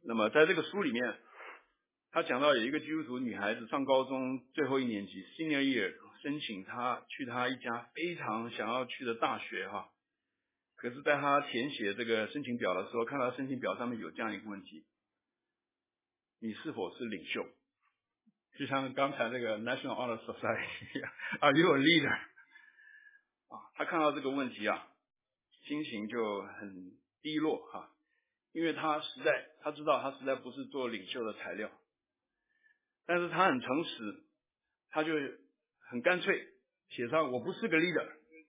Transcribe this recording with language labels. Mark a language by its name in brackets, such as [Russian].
[Chinese] 那么在这个书里面，他讲到有一个基督徒女孩子上高中最后一年级 [English] senior year， [Chinese] 申请他去他一家非常想要去的大学哈。可是在他填写这个申请表的时候，看到申请表上面有这样一个问题：你是否是领袖？就像刚才那个 [English] National Honor Society， Are you a leader？ [Chinese] 他看到这个问题啊，心情就很低落哈，因为他知道他实在不是做领袖的材料。但是他很诚实，他就很干脆写上我不是个 leader。